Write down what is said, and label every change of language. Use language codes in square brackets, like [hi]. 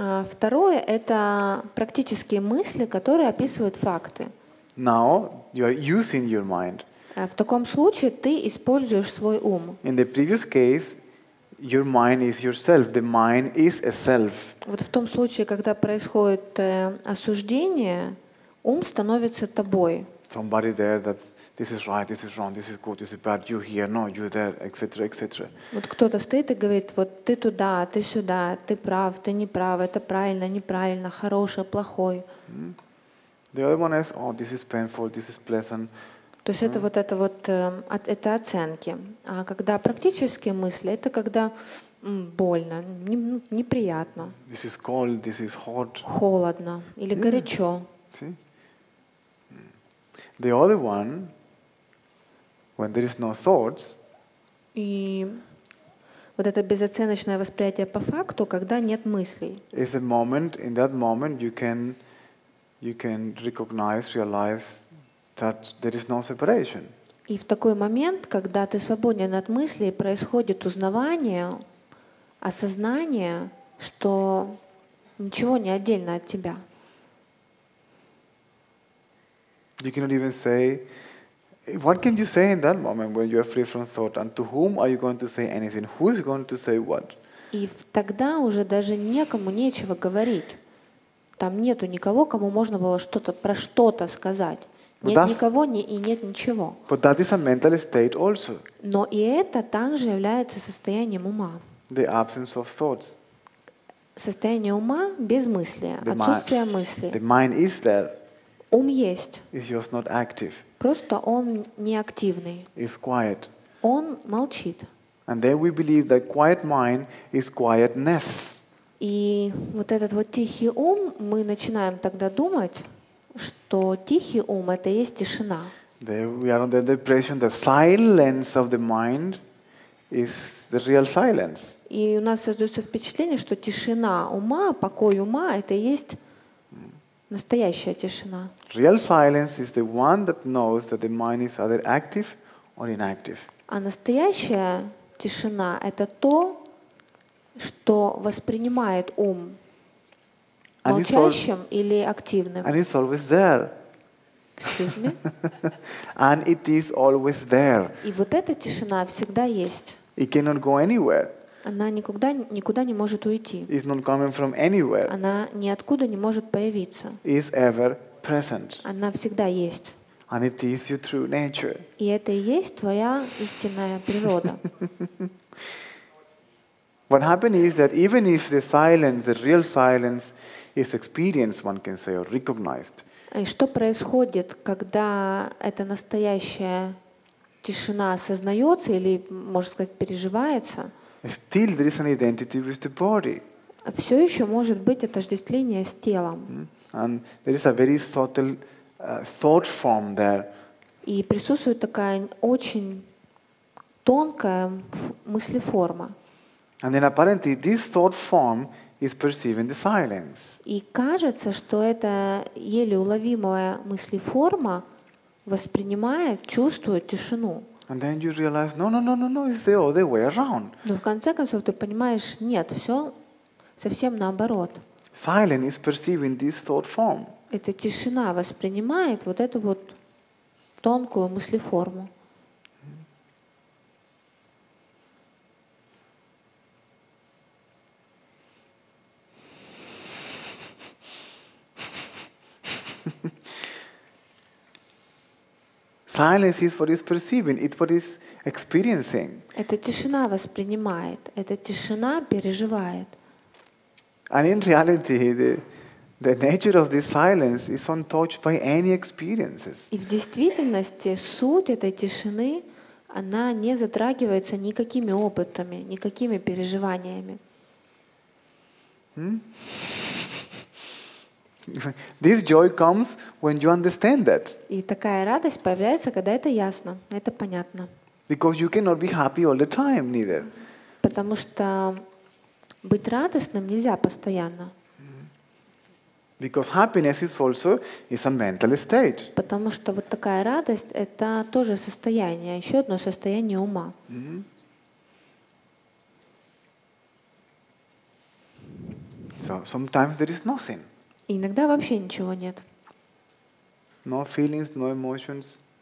[ru] Второе — это практические мысли, которые описывают факты. [en] Now you are using your mind. [ru] В таком случае ты используешь свой ум. [en] In the previous case, your mind is yourself. The mind is a self. [ru] Вот в том случае, когда происходит осуждение, ум становится тобой. [en] Somebody there that this is right, this is wrong, this is good, this is bad, you here, no, you there, etc., etc. [ru] Вот кто-то стоит и говорит, вот ты туда, ты сюда, ты прав, ты не прав, это правильно, неправильно, хорошее, плохое. [en] The other one is, oh, this is painful, this is pleasant. [ru] То есть это вот это оценки. А когда практические мысли, это когда больно, неприятно. [en] This is cold, this is hot. [ru] Холодно или горячо. [en] The other one, when there is no thoughts. [ru] И вот это безоценочное восприятие по факту, когда нет мыслей. [en] Is a moment. In that moment, you can recognize, realize that there is no separation. [ru] И в такой момент, когда ты свободен от мыслей, происходит узнавание, осознание, что ничего не отдельно от тебя. [en] You cannot even say. What can you say in that moment when you are free from thought? And to whom are you going to say anything? Who is going to say what? [ru] И тогда уже даже некому нечего говорить. Там нету никого, кому можно было что-то про что-то сказать. Нет никого и нет ничего. [en] But that is a mental state also. [ru] Но и это также является состоянием ума. [en] The absence of thoughts. [ru] Состояние ума без мысли, отсутствие мысли. [en] The mind is there. [ru] Ум есть. [en] It's just not active. [ru] Просто он неактивный. [en] It's quiet. [ru] Он молчит. [en] And then we believe that quiet mind is quietness. [ru] И вот этот вот тихий ум, мы начинаем тогда думать, что тихий ум это и есть тишина. [en] There we are under the impression that silence of the mind is the real silence. [ru] И у нас создается впечатление, что тишина ума, покой ума это и есть настоящая тишина. [en] Real silence is the one that knows that the mind is either active or inactive. [ru] А настоящая тишина — это то, что воспринимает ум молчащим или активным. [en] And it's always there. Excuse me. And it is always there. [ru] И вот эта тишина всегда есть. [en] It cannot go anywhere. [ru] Она никогда никуда не может уйти. [en] It's not coming from anywhere. [ru] Она ниоткуда не может появиться. [en] It's ever present. [ru] Она всегда есть. [en] And it is your true nature. [ru] И это и есть твоя истинная природа. [en] What happened is that even if the silence, the real silence, is experienced, one can say, or recognized. [ru] И что происходит, когда эта настоящая тишина осознается или, можно сказать, переживается? [en] Still, there is an identity with the body. [ru] Все еще может быть отождествление с телом. [en] And there is a very subtle thought form there. [ru] И присутствует такая очень тонкая мыслеформа. [en] And then apparently this thought form is perceiving the silence. [ru] И кажется, что эта еле уловимая мыслеформа воспринимает, чувствует тишину. [en] And then you realize, no, it's the other way around. [ru] Но в конце концов ты понимаешь, нет, все совсем наоборот. [en] Silence is perceiving this thought form. [ru] Эта тишина воспринимает вот эту вот тонкую мыслеформу. [en] Silence is what is perceiving, it's what is experiencing. [ru] Эта тишина воспринимает, эта тишина переживает. [en] And in reality, the nature of this silence is untouched by any experiences. [ru] И в действительности суть этой тишины, она не затрагивается никакими опытами, никакими переживаниями. [en] This joy comes when you understand that. [ru] И такая радость появляется, когда это ясно, это понятно. [en] Because you cannot be happy all the time, neither. [ru] Потому что быть радостным нельзя постоянно. [en] Because happiness is also is a mental state. [ru] Потому что вот такая радость это тоже состояние, еще одно состояние ума. [en] So sometimes there is nothing. [ru] И иногда вообще ничего нет. [en] No feelings, no emotions.